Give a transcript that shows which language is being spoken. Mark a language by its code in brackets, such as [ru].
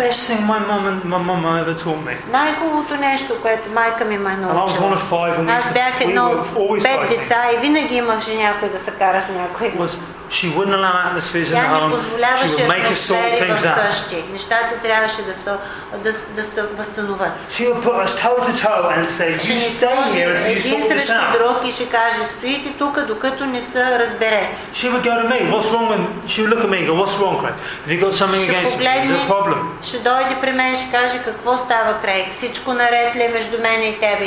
[en] Best thing my mom ever taught me. [bg] Най-хубавото нещо, което майка ми ме научила. Аз бях едно от пет деца и винаги имах жена, някой да се кара с някой. [en] She wouldn't allow atmospheres in the home. [bg] Тя не позволяваше атмосфери вкъщи. Нещата трябваше да се възстановят. [en] She would put us toe to toe and say, you stay here if you sort this out. [bg] Един срещу друг и ще каже, стоите тук, докато не се разберете. [en] She would go to me, what's wrong with... She would look at me and go, what's wrong, Craig? Have you got something against me? Is there a problem? [bg] Ще дойде при мен и ще каже, какво става, Крейг? Всичко наред ли между мен и тебе?